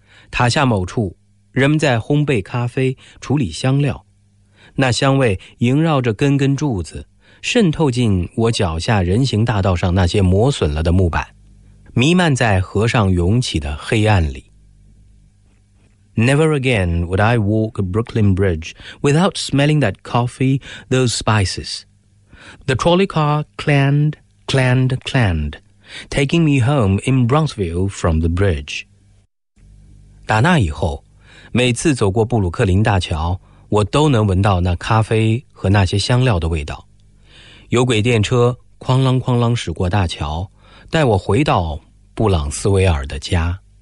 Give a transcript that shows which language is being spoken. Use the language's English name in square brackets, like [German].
[Chinese] 塔下某处人们在烘焙咖啡，处理香料，那香味萦绕着根根柱子，渗透进我脚下人行大道上那些磨损了的木板，弥漫在河上涌起的黑暗里。 [English] Never again would I walk Brooklyn Bridge without smelling that coffee, those spices. The trolley car clanged, clanged, clanged, taking me home in Bronxville from the bridge. [Chinese] 打那以后，每次走过布鲁克林大桥，我都能闻到那咖啡和那些香料的味道。有轨电车哐啷哐啷驶过大桥，带我回到布朗斯维尔的家。